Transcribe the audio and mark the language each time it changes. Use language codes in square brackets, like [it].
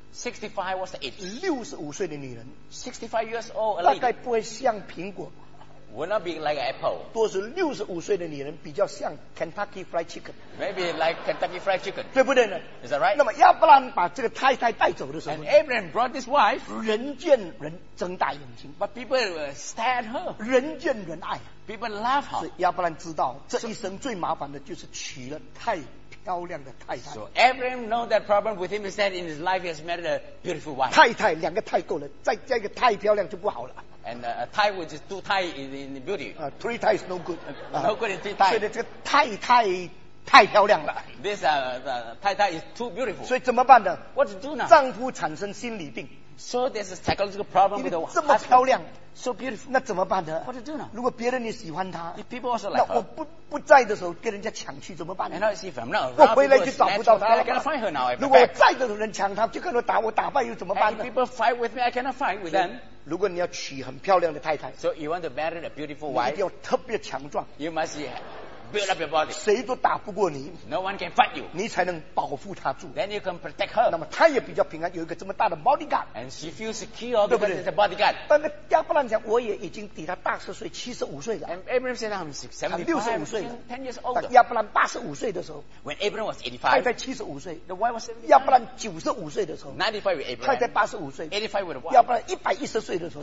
[en] 65 was the age. [zh] 65岁的女人。 [en] 65 years old, a lady. [zh] 大概不会像苹果。 [en] Would not be like an apple. [zh] 多是65岁的女人比较像 Kentucky Fried Chicken. [en] Maybe like Kentucky Fried Chicken. [zh] 对不对呢？ [en] Is that right? [zh] 那么亚伯兰把这个太太带走的时候。 [en] And Abraham brought this wife. [zh] 人见人睁大眼睛。 [en] But people stare at her. [zh] 人见人爱。 [en] People love her. [zh] 所以亚伯兰知道这一生最麻烦的就是娶了太漂亮的太太。 [en] So Abraham knows that problem with him is that in his life he has married a beautiful wife. [zh] 太太两个太够了，再加一个太漂亮就不好了。 [en] And a Thai which is two Thai in beauty. Three Thai is no good. No good in three Thai. [zh] 所以这个太太太漂亮了。 [en] This Thai Thai is too beautiful. [zh] 所以怎么办呢？ [en] What to do now? [zh] 丈夫产生心理病。 [en] So there's a psychological problem with the wife. [zh] 这么漂亮。 [en] So beautiful. [zh] 那怎么办呢？ [en] What to do now? [zh] 如果别人也喜欢她。 [en] If people also like her. [zh] 那我不在的时候跟人家抢去怎么办呢？ [en] And now if I'm not around, [zh] 我回来就找不到她了。 [en] I cannot find her now. [zh] 如果我在的时候人抢她，就跟我打败又怎么办呢？ [en] If people fight with me, I cannot fight with them. [zh] 如果你要娶很漂亮的太太 [en] ，So you want to marry a beautiful wife， [zh] 你一定要特别强壮。 [en] You must build up your body。 [zh] 谁都打不过你 [en] ，No one can fight you。 [zh] 你才能保护她住 [en] ，Then you can protect her。 [zh] 那么她也比较平安，有一个这么大的 bodyguard。 [en] And she feels secure because it's a bodyguard。 [zh] 但是亚伯兰讲，我也已经比她大十岁，75岁了。 [en] And Abraham said I'm [zh] 65岁了 [en] ，10 years older。 [zh] 亚伯兰85岁的时候 [en] ，When Abraham was 85， [zh] 太太75岁 [en] ，The wife was 75。 [zh] 亚伯兰95岁的时候 [en] ，95 with Abraham。 [zh] 太太85岁 [en] ，85 with the wife。 [zh] 亚伯兰110岁的时候